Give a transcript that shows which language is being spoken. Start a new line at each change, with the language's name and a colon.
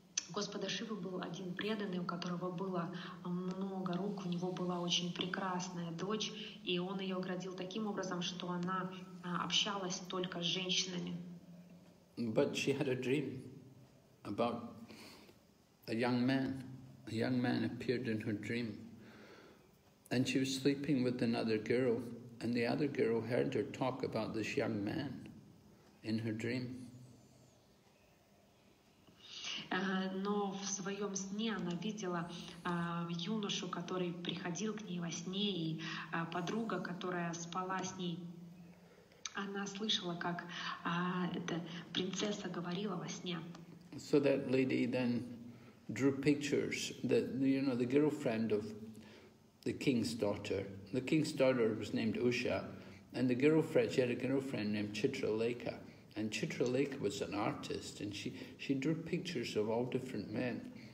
Russian: Господа Шивы был один преданный, у которого было много рук, у него была очень прекрасная дочь, и он ее оградил таким образом, что она общалась только с женщинами.
English: But she had a dream about a young man. A young man appeared in her dream. And she was sleeping with another girl, and the other girl heard her talk about this young man in her dream.
Russian: Но в своем сне она видела юношу, который приходил к ней во сне, и подруга, которая спала с ней, она слышала, как эта принцесса говорила во сне.
English: So that lady then drew pictures that, you know, the girlfriend of the king's daughter. The king's daughter was named Usha, and the girlfriend, she had a girlfriend named Chitralekha. And Chitralekha was an artist, and she drew pictures of all different men.